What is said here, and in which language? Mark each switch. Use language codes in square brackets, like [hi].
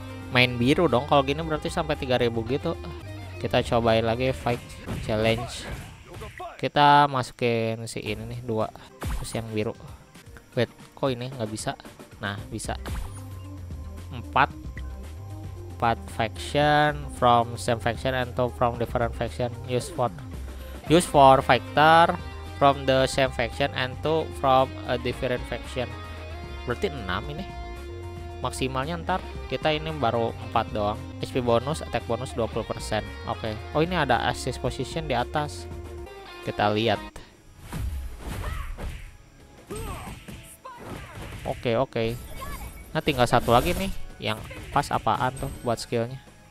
[id] Main biru dong kalau gini berarti sampai 3000 gitu. Kita cobain lagi fight challenge. Kita masukin si ini nih 2. Terus yang biru. Wait, kok ini enggak bisa? Nah, bisa. 4. [en] 4 faction from same faction and 2 from different faction. Use for fighter from the same faction and 2 from a different faction. [id] Berarti 6 ini. Maksimalnya ntar kita ini baru 4 doang. HP bonus, attack bonus 20%. Oke. Okay. Oh, ini ada assist position di atas. Kita lihat. Oke. Nah, tinggal satu lagi nih yang pas apaan tuh buat skillnya.